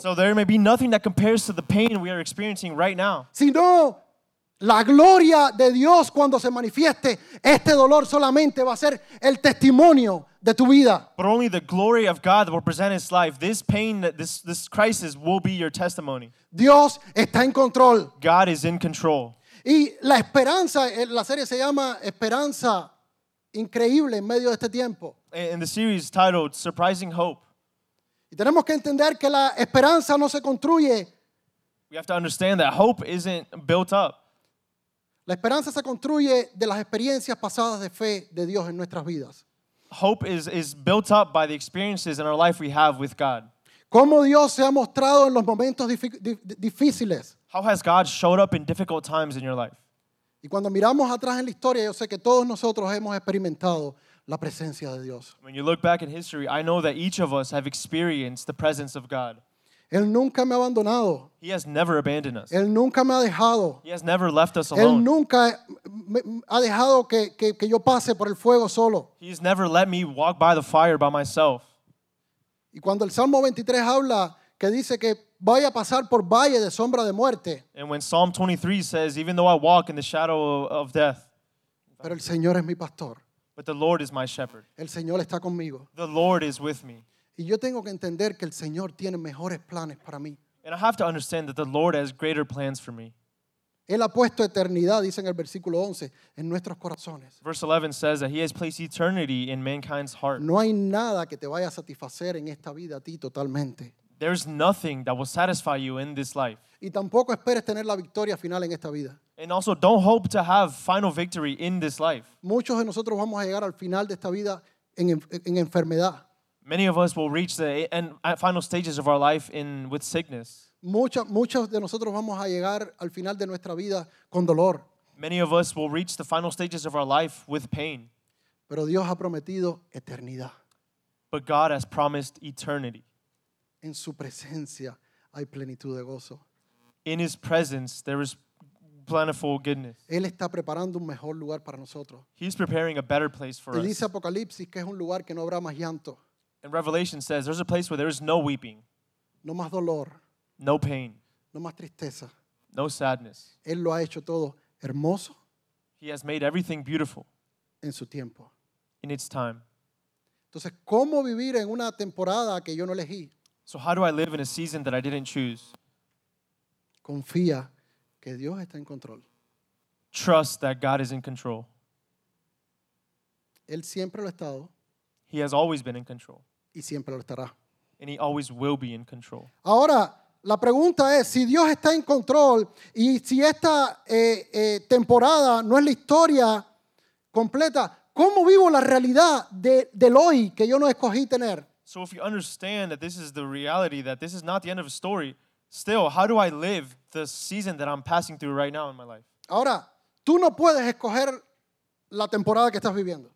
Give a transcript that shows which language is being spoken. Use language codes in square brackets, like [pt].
[en] So there may be nothing that compares to the pain we are experiencing right now. [es] Sino la gloria de Dios cuando se manifieste, este dolor solamente va a ser el testimonio de tu vida. [en] But only the glory of God will present his life. This pain, this crisis will be your testimony. [es] Dios está en control. [en] God is in control. [es] Y la esperanza, la serie se llama Esperanza Increíble en medio de este tiempo. [en] And the series titled Surprising Hope. [es] Y tenemos que entender que la esperanza no se construye. [en] We have to understand that hope isn't built up. [es] La esperanza se construye de las experiencias pasadas de fe de Dios en nuestras vidas. [en] Hope is built up by the experiences in our life we have with God. [es] ¿Cómo Dios se ha mostrado en los momentos difíciles? [en] How has God showed up in difficult times in your life? [es] Y cuando miramos atrás en la historia, yo sé que todos nosotros hemos experimentado la presencia de Dios. [en] When you look back in history, I know that each of us have experienced the presence of God. [es] Él nunca me ha abandonado. [en] He has never abandoned us. [es] Él nunca me ha dejado. [en] He has never left us alone. [es] Él nunca ha dejado que yo pase por el fuego solo. [en] He has never let me walk by the fire by myself. [es] Y cuando el Salmo 23 habla que dice que voy a pasar por valle de sombra de muerte. [en] And when Psalm 23 says, even though I walk in the shadow of death. [es] Pero el Señor es mi pastor. [en] But the Lord is my shepherd. [es] El Señor está conmigo. [en] The Lord is with me. [es] Y yo tengo que entender que el Señor tiene mejores planes para mí. [en] And I have to understand that the Lord has greater plans for me. [es] Él ha puesto eternidad, dice en el versículo 11, en nuestros corazones. [en] Verse 11 says that he has placed eternity in mankind's heart. [es] No hay nada que te vaya a satisfacer en esta vida a ti totalmente. [en] There's nothing that will satisfy you in this life. [es] Y tampoco esperes tener la victoria final en esta vida. [en] And also don't hope to have final victory in this life. [es] Muchos de nosotros vamos a llegar al final de esta vida en enfermedad. [en] Many of us will reach the end, final stages of our life with sickness. [es] Muchos de nosotros vamos a llegar al final de nuestra vida con dolor. [en] Many of us will reach the final stages of our life with pain. [es] Pero Dios ha prometido eternidad. [en] But God has promised eternity. [es] En su presencia hay plenitud de gozo. [en] In his presence there is plentiful goodness. [es] Él está preparando un mejor lugar para nosotros. [en] He's preparing a better place for us. [es] Dice Apocalipsis que es un lugar que no habrá más llanto. [en] And Revelation says there's a place where there is no weeping. [es] No más dolor. [en] No pain. [es] No más tristeza. [en] No sadness. [es] Él lo ha hecho todo hermoso. [en] He has made everything beautiful. [es] En su tiempo. [en] In its time. [es] Entonces, ¿cómo vivir en una temporada que yo no elegí? [en] So how do I live in a season that I didn't choose? [es] Confía que Dios está en control. [en] Trust that God is in control. [es] Él siempre lo ha estado. [en] He has always been in control. [es] Y siempre lo estará. [en] And he always will be in control. [es] Ahora, la pregunta es, si Dios está en control y si esta temporada no es la historia completa, ¿cómo vivo la realidad del hoy que yo no escogí tener? [en] So if you understand that this is the reality, that this is not the end of a story, still, how do I live the season that I'm passing through right now in my life? [es] Ahora, tú no puedes escoger la temporada que estás viviendo.